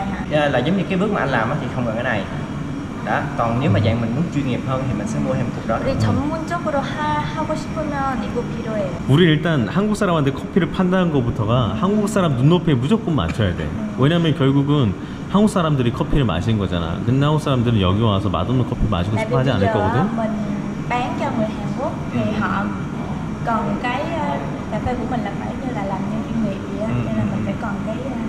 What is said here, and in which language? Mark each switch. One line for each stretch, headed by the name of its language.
Vietnamese: Yeah, là giống như cái bước mà anh làm thì không cần cái này. Đó, còn nếu mà dạng mình muốn chuyên nghiệp hơn thì mình sẽ mua thêm cục đó.
Korean: Thì 전문적으로 하고 싶으면 이거 필요해. 우리 일단 한국 사람한테 커피를 판다는 것부터가 한국 사람 눈높이에 무조건 맞춰야 돼. 왜냐면 결국은 한국 사람들이 커피를 마시는 거잖아. 근데 한국 사람들은 여기 와서 맛없는 커피 마시고 싶어 하지 않을 거거든.
Vietnamese: 근데 mình bán cho người Hàn Quốc thì họ còn cái cà phê của mình là phải như là làm nhân viên Việt vậy á.